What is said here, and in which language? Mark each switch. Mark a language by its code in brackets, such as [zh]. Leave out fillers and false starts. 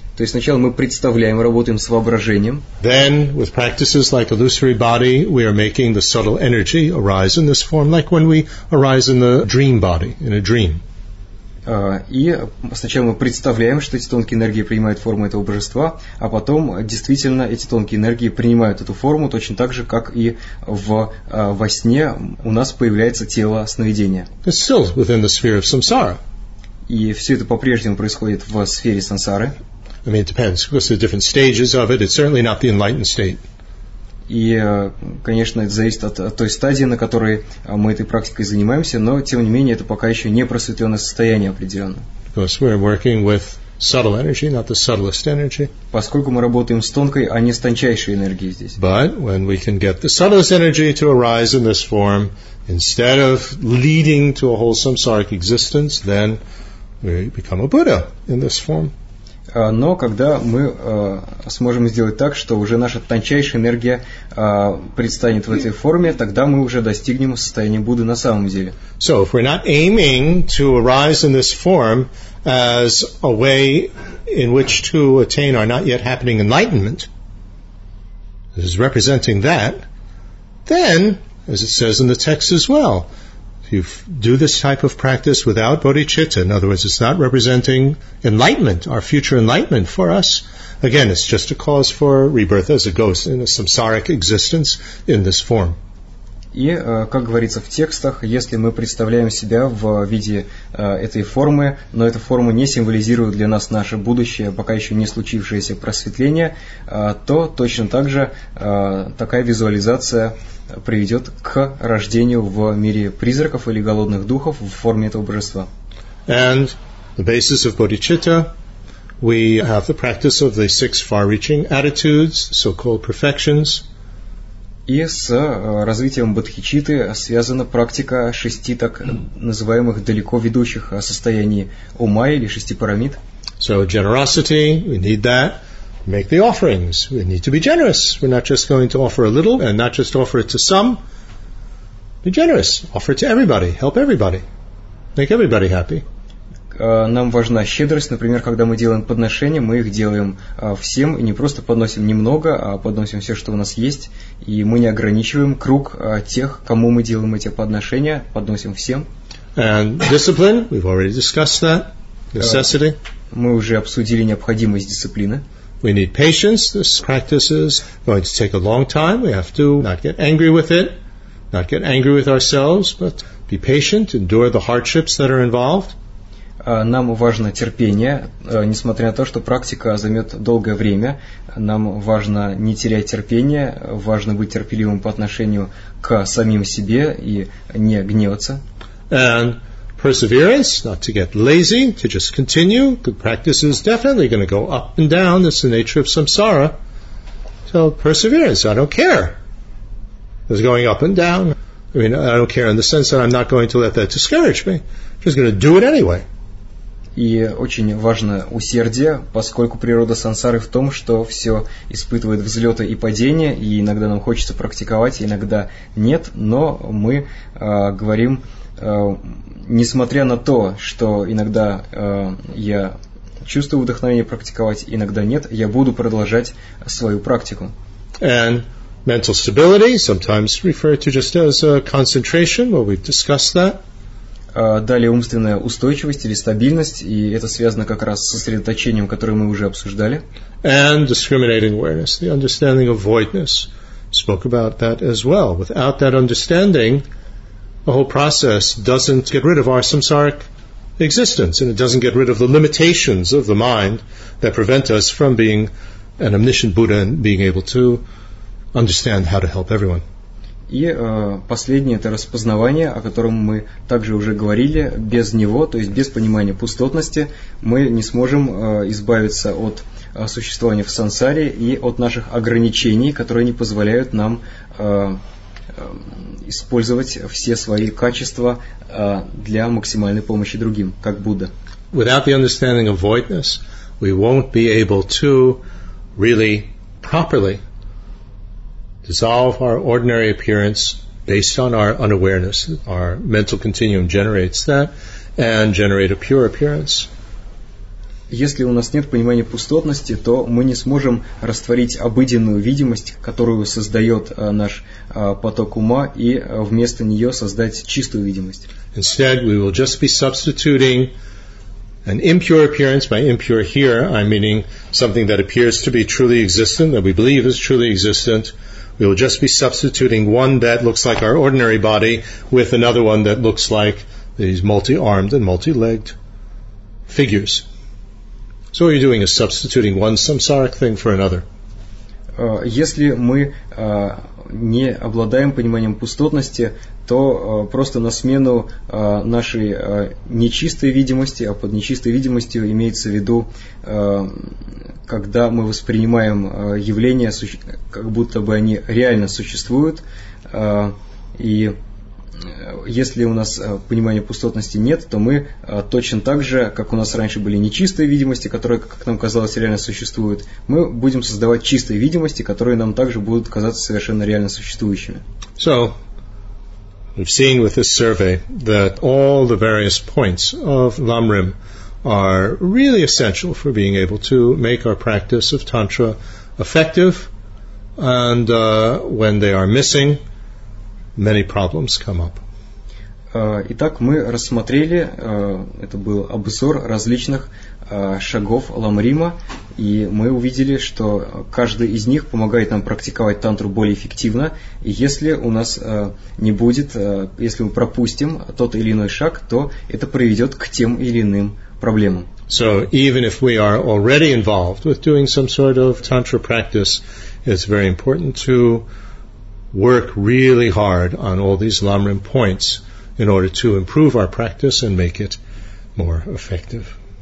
[ru] То есть сначала мы представляем, работаем с воображением. [en] Then, with practices like illusory body, we are making the subtle energy arise in this form, like when we arise in the dream body, in a dream. [ru] И сначала мы представляем, что эти тонкие энергии принимают форму этого божества, а потом действительно эти тонкие энергии принимают эту форму точно так же, как и во сне у нас появляется тело сновидения. [en] It's still within the sphere of samsara. [ru] И все это по-прежнему происходит в сфере сансары. [en] I mean, it depends, because there are different stages of it. It's certainly not the enlightened state. [ru] И, конечно, это зависит от той стадии, на которой мы этой практикой занимаемся, но, тем не менее, это пока еще не просветленное состояние определенное. [en] Because we're working with subtle energy, not the subtlest energy. [ru] Поскольку мы работаем с тонкой, а не с тончайшей энергией здесь. [en] But when we can get the subtlest energy to arise in this form, instead of leading to a whole samsaric existence, then we become a Buddha in this form. [ru] Но когда мы сможем сделать так, что уже наша тончайшая энергия предстанет в этой форме, тогда мы уже достигнем состояния Будды на самом деле. [en] So, if we're not aiming to arise in this form as a way in which to attain our not yet happening enlightenment, this is representing that, then, as it says in the text as well, if you do this type of practice without bodhicitta, in other words, it's not representing enlightenment, our future enlightenment for us. Again, it's just a cause for rebirth as a ghost in a samsaric existence in this form. [ru] И, как говорится в текстах, если мы представляем себя в виде этой формы, но эта форма не символизирует для нас наше будущее, пока еще не случившееся просветление, то точно так же такая визуализация приведет к рождению в мире призраков или голодных духов в форме этого божества. [en] And the basis of bodhicitta, we have the practice of the six far-reaching attitudes, so-called perfections. [ru] И с развитием бодхичитты связана практика шести так называемых далеко ведущих состояний ума или шести парамид. [en] So generosity, we need that. Make the offerings. We need to be generous. We're not just going to offer a little and not just offer it to some. Be generous. Offer it to everybody. Help everybody. Make everybody happy. [ru] Нам важна щедрость. Например, когда мы делаем подношения, мы их делаем всем и не просто подносим немного, а подносим все, что у нас есть. И мы не ограничиваем круг тех, кому мы делаем эти подношения, подносим всем. [en] And discipline. We've already discussed that. Necessity. [ru] Мы уже обсудили необходимость дисциплины. [en] We need patience. This practice is going to take a long time. We have to not get angry with it, not get angry with ourselves, but be patient, endure the hardships that are involved. [ru] Нам важно терпение, несмотря на то, что практика займет долгое время. Нам важно не терять терпение, важно быть терпеливым по отношению к самим себе и не гневаться. [en] And perseverance, not to get lazy, to just continue. The practice is definitely going to go up and down. That's the nature of samsara. So perseverance, I don't care. It's going up and down. I mean, I don't care in the sense that I'm not going to let that discourage me. I'm just going to do it anyway. [ru] И очень важно усердие, поскольку природа сансары в том, что все испытывает взлеты и падения, и иногда нам хочется практиковать, иногда нет, но мы говорим, несмотря на то, что иногда я чувствую вдохновение практиковать, иногда нет, я буду продолжать свою практику. [en] And mental stability, sometimes referred to just as concentration, well, we've discussed that. [ru] Далее умственная устойчивость или стабильность, и это связано как раз с сосредоточением, которое мы уже обсуждали. [en] And discriminating awareness, the understanding of voidness. Spoke about that as well. Without that understanding, the whole process doesn't get rid of our samsaric existence, and it doesn't get rid of the limitations of the mind that prevent us from being an omniscient Buddha and being able to understand how to help everyone. [ru] И последнее – это распознавание, о котором мы также уже говорили. Без него, то есть без понимания пустотности, мы не сможем избавиться от существования в сансаре и от наших ограничений, которые не позволяют нам использовать все свои качества для максимальной помощи другим, как Будда. [en] Without the understanding of voidness, we won't be able to really properly dissolve our ordinary appearance based on our unawareness. Our mental continuum generates that and generate a pure appearance. [ru] Если у нас нет понимания пустотности, то мы не сможем растворить обыденную видимость, которую создает наш поток ума, и вместо нее создать чистую видимость. [en] Instead, we will just be substituting an impure appearance. By impure here, I'm meaning something that appears to be truly existent, that we believe is truly existent. We will just be substituting one that looks like our ordinary body with another one that looks like these multi-armed and multi-legged figures. So what you're doing is substituting one samsaric thing for another. [ru] Если мы не обладаем пониманием пустотности, то просто на смену нашей нечистой видимости, а под нечистой видимостью имеется в виду, когда мы воспринимаем явления, как будто бы они реально существуют, и если у нас понимания пустотности нет, то мы точно так же, как у нас раньше были нечистые видимости, которые, как нам казалось, реально существуют, мы будем создавать чистые видимости, которые нам также будут казаться совершенно реально существующими. [en] So, we've seen with this survey that all the various points of ламрим are really essential for being able to make our practice of Tantra effective, and when they are missing, many problems come up. [ru] Итак, мы рассмотрели, это был обзор различных шагов ламрима, и мы увидели, что каждый из них помогает нам практиковать тантру более эффективно, и если у нас не будет, если мы пропустим тот или иной шаг, то это приведет к тем или иным проблемам. [en] So, even if we are already involved with doing some sort of tantra practice, it's very important to work really hard on all these ламрим points in order to improve our practice and make it more effective.